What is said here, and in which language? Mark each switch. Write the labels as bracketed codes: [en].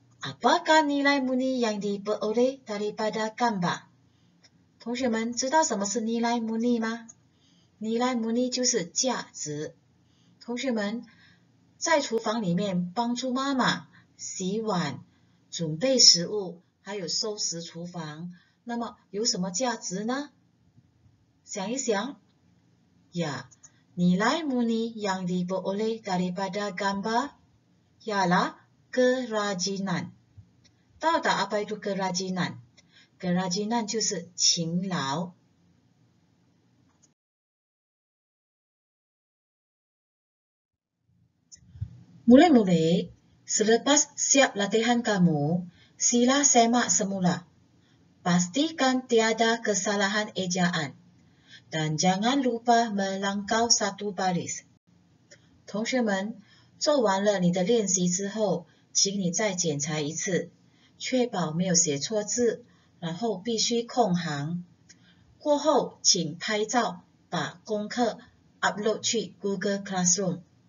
[ms] Apakah nilai murni yang diperoleh daripada gambar? [zh] 同学们知道什么是尼莱姆尼吗？尼莱姆尼就是价值。同学们在厨房里面帮助妈妈洗碗、准备食物，还有收拾厨房，那么有什么价值呢？想一想。 [ms] Ya, nilai murni yang diperoleh daripada gambar ialah kerajinan. Tahu tak apa itu kerajinan? [zh] Kerajinan 就是勤劳。 [ms] Mulai-mulai, selepas siap latihan kamu, sila semak semula. Pastikan tiada kesalahan ejaan. Dan jangan lupa melangkau satu baris. [zh] 同学们，做完了你的练习之后，请你再检查一次，确保没有写错字。然后必须空行，过后请拍照，把把功课 upload 去 Google Classroom。